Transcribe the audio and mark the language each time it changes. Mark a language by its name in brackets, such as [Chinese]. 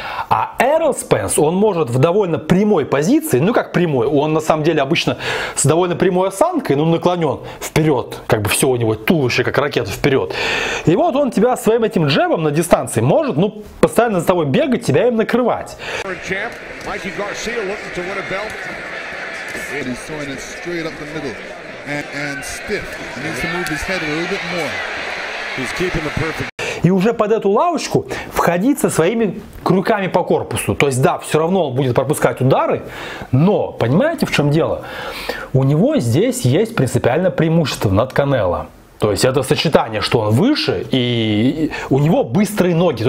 [Russian] А Эрл Спенс, он может в довольно прямой позиции, ну как прямой, он на самом деле обычно с довольно прямой осанкой, ну наклонен вперед, как бы все у него туловище, как ракета, вперед. И вот он тебя своим этим джебом на дистанции может, ну, постоянно за тобой бегать, тебя им накрывать. [English] Mikey Garcia looking to win a belt. And he's throwing it straight up the middle. And stiff. He needs to move his head a little bit more. He's keeping the perfect... [Russian] И уже под эту лавочку входить со своими крюками по корпусу. То есть, да, все равно он будет пропускать удары, но, понимаете, в чем дело? У него здесь есть принципиальное преимущество над Канело. То есть это сочетание, что он выше, и у него быстрые ноги.